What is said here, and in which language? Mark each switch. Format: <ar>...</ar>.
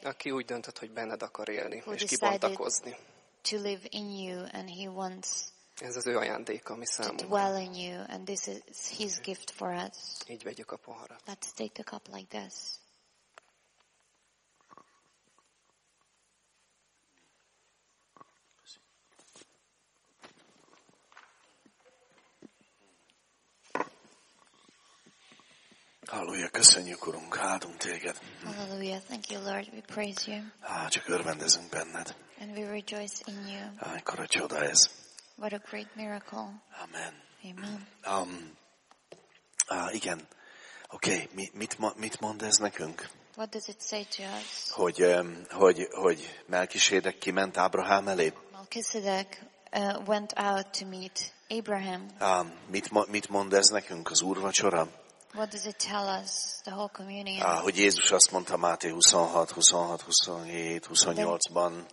<hu>Aki úgy döntött, hogy benned akar élni és kibontakozni.</hu> <en>To live in you and he wants.</en> <hu>Ez az ő ajándéka mi számunkra.</hu> <en>To dwell in you and this is his gift for us.</en> <hu>Így vegyük a poharat.</hu> <en>Let's take the cup like this.</en> <hu>Halleluja, köszönjük, Urunk, áldunk téged.</hu> <en>Halleluja, thank you, Lord, we praise you.</en> <hu>Csak örvendezünk benned.</hu> <en>And we rejoice in you.</en> <hu>Mekkora csoda ez.</hu> <en>What a great miracle. Amen. Amen.</en> <hu>Igen, okay. Mit mond ez nekünk?</hu> <en>What does it say to us?</en> <hu>Hogy Melkisedek kiment Ábrahám elé.</hu> <en>Melkisedek went out to meet Abraham.</en> <hu>Mit mond ez nekünk az úrvacsora?</hu> <en>What does it tell us, the whole communion?</en> <hu>Hogy Jézus azt mondta Máté 26-27-28-ban.</hu>